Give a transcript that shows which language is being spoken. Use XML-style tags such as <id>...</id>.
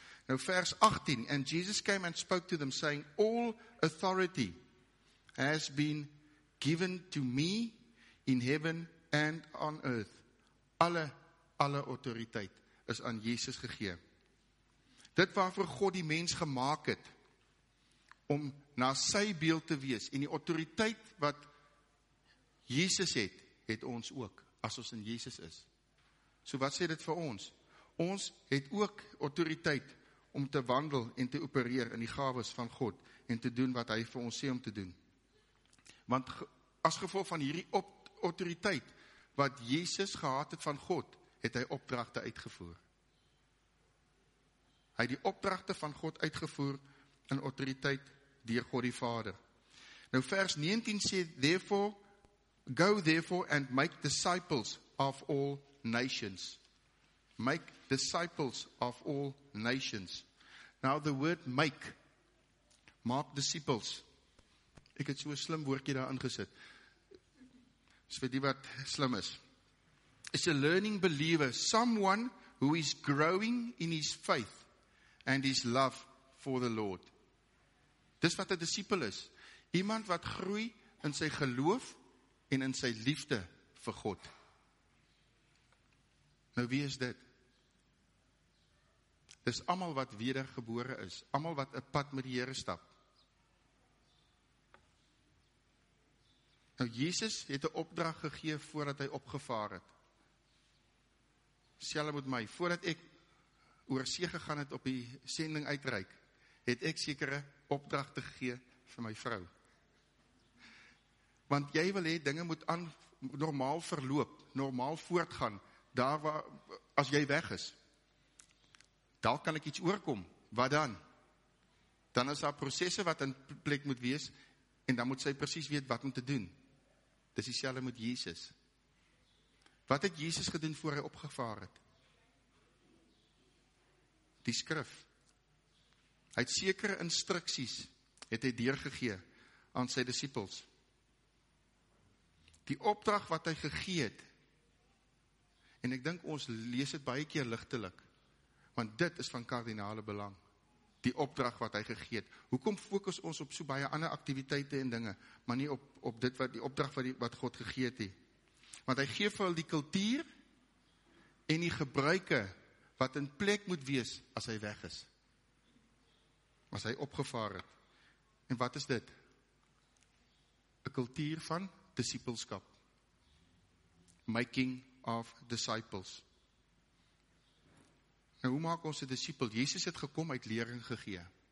<af>Nou vers 18,</af> <en>and Jesus came and spoke to them saying, all authority has been given to me in heaven and on earth.</en> <af>Alle autoriteit is aan Jesus gegee. Dit waarvoor God die mens gemaak het, om na sy beeld te wees, en die autoriteit wat Jesus het, het ons ook, as ons in Jesus is. So wat sê dit vir ons? Ons het ook autoriteit om te wandel en te opereer in die gawes van God en te doen wat hy vir ons sê om te doen. Want as gevolg van hierdie autoriteit wat Jesus gehad het van God, het hy opdragte uitgevoer. Hy die opdragte van God uitgevoer in autoriteit deur God die Vader. Nou vers 19 sê,</af> <en>therefore, go therefore and make disciples of all nations. Make disciples of all nations. Now the word make,</en> <af>maak disciples. Ek het so 'n slim woordjie daar ingesit. is vir die wat slim is.</af> <en>Is a learning believer, someone who is growing in his faith and his love for the Lord.</en> <af>Dis wat 'n disipel is. Iemand wat groei in sy geloof en in sy liefde vir God. Nou wie is dit? Dis almal wat wedergebore is, almal wat 'n pad met die Here stap. Nou Jesus het 'n opdrag gegee voordat hy opgevaar het. Selfe met my, voordat ek oor see gegaan het op die sending uitreik, het ek sekere opdragte gegee vir my vrou. Want jy wil hê dinge moet aan normaal verloop, normaal voortgaan, daar waar, as jy weg is. Daar kan ek iets oorkom, wat dan? Dan is daar prosesse wat in plek moet wees, en dan moet sy precies weet wat om te doen. Dis dieselfde met Jesus. Wat het Jesus gedoen voor hy opgevaar het? Die skrif. Hy het sekere instruksies, het hy deurgegee aan sy disippels. Die opdrag wat hy gegee het, en ek dink ons lees het baie keer ligtelik, want dit is van kardinale belang, die opdrag wat hy gegee het. Hoekom fokus ons op so baie ander aktiwiteite en dinge, maar nie op dit wat die opdrag wat God gegee het? Want hy geef wel die kultuur en die gebruike wat in plek moet wees as hy weg is. As hy opgevaar het. En wat is dit? Een kultuur van discipelskap.</af> <en>Making of disciples.</en> <af>En hoe maak ons een disipel? Jesus het gekom uit lering gegee.</af>